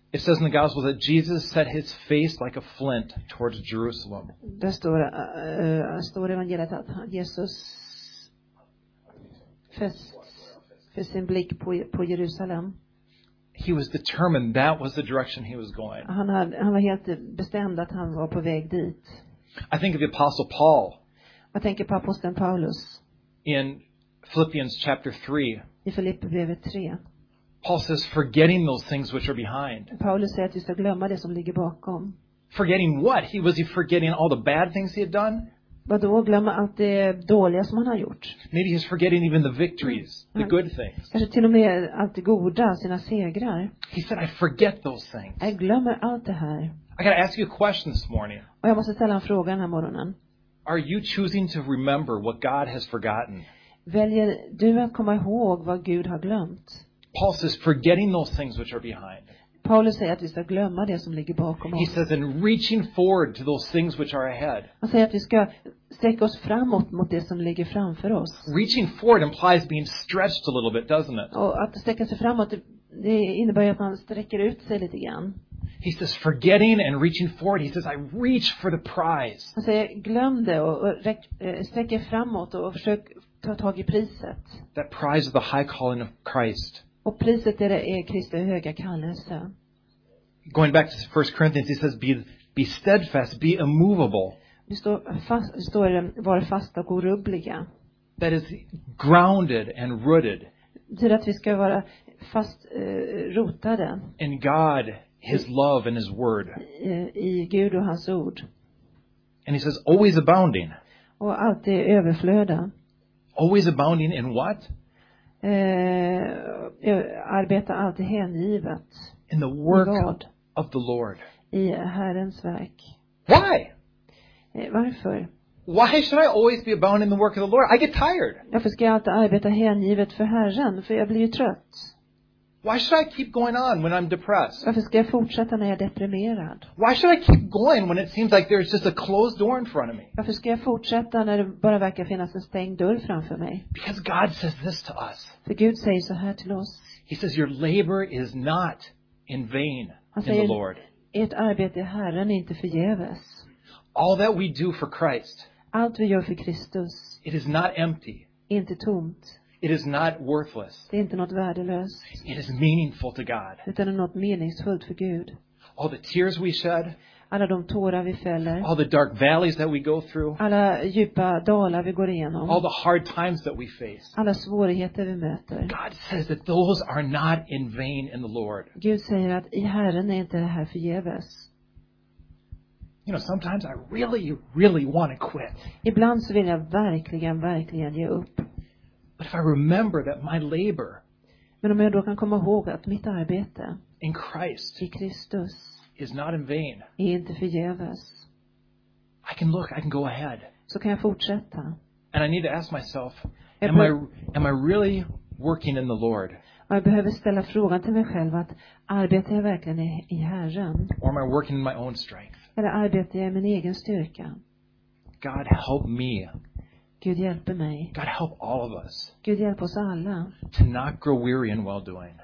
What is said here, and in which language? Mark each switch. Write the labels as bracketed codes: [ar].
[en] It says in the Gospels that Jesus set his face like a flint towards Jerusalem. [sv] Det står i evangeliet att Jesus fäst sin blick på Jerusalem. [en] He was determined that was the direction he was going. [sv] Han var helt bestämd att han var på väg dit. [en] I think of the Apostle Paul. [sv] Jag tänker på aposteln Paulus. [en] In Philippians chapter 3. [sv] I Filipperbrevet 3. [en] Paul says, forgetting those things which are behind. [sv] Paulus säger att vi ska glömma det som ligger bakom. [en] Forgetting what? Was he forgetting all the bad things he had done? [sv] Vadå, glömma allt det dåliga som han har gjort? [en] Maybe he's forgetting even the victories, the good things. [sv] Kanske till och med allt det goda, sina segrar. [en] He said, I forget those things. [sv] Jag glömmer allt det här. [en] I gotta ask you a question this morning. [sv] Och jag måste ställa en fråga den här morgonen. [en] Are you choosing to remember what God has forgotten? [sv] Väljer du att komma ihåg vad Gud har glömt? [en] Paul says, forgetting those things which are behind. [sv] Paulus säger att vi ska glömma det som ligger bakom oss. [en] He says, and reaching forward to those things which are ahead. [sv] Han säger att vi ska sträcka oss framåt mot det som ligger framför oss. [en] Reaching forward implies being stretched a little bit, doesn't it? [sv] Och att sträcka sig framåt, det innebär att man sträcker ut sig lite grann. [en] He says, forgetting and reaching forward. He says, I reach for the prize. [sv] Han säger, glöm det och sträcker framåt och försök ta tag i priset. [en] That prize is the high calling of Christ. [sv] Och priset är det är Kristi höga kallelse. [en] Going back to 1 Corinthians, he says, be steadfast, be immovable. [sv] Det står var fasta och orubbliga. [en] That is grounded and rooted. [sv] Det är att vi ska vara fast rotade. [en] In God, his love and his word. [sv] I Gud och hans ord. [en] And he says, always abounding. [sv] Och alltid överflöda. [en] Always abounding in what? [sv] Arbeta alltid hängivet. [en] In the work of the Lord. [sv] I Herrens verk. [en] Why? [sv] Varför? [en] Why should I always be abounding in the work of the Lord? I get tired. [sv] Varför ska jag alltid arbeta hängivet för Herren? För jag blir ju trött. [en] Why should I keep going on when I'm depressed? [sv] Varför ska jag fortsätta när jag är deprimerad? [en] Why should I keep going when it seems like there's just a closed door in front of me? [sv] Varför ska jag fortsätta när det bara verkar finnas en stängd dörr framför mig? [en] Because God says this to us. [sv] För Gud säger så här till oss. [en] He says your labor is not in vain in the Lord. [sv] Ert arbete i Herren är inte förgäves. [en] All that we do for Christ. [sv] Allt vi gör för Kristus. [en] It is not empty. [sv] Inte tomt. [en] It is not worthless. [sv] Det är inte något värdelöst. [en] It is meaningful to God. [sv] Det är något meningsfullt för Gud. [en] All the tears we shed. [sv] Alla de tårar vi fäller. [en] All the dark valleys that we go through. [sv] Alla djupa dalar vi går igenom. [en] All the hard times that we face. [sv] Alla svårigheter vi möter. [en] God says that those are not in vain in the Lord. [sv] Gud säger att i Herren är inte det här förgäves. [en] You know, sometimes I really, really want to quit. [sv] Ibland så vill jag verkligen, verkligen ge upp. [en] But if I remember that my labor, [sv] men om jag då kan komma ihåg att mitt arbete [en] in Christ, [sv] i Kristus, [en] is not in vain, [sv] är inte förgäves. [en] I can look, I can go ahead. [sv] Så kan jag fortsätta. [en] And I need to ask myself, am I really working in the Lord? [sv] Jag behöver ställa frågan till mig själv att arbetar jag verkligen i Herren? [en] Or am I working in my own strength? [sv] Eller arbetar jag i min egen styrka? [en] God help me. [sv] Gud hjälper mig. [en] God help all of us. [sv] Gud hjälp oss alla. [en] To not grow weary in well doing.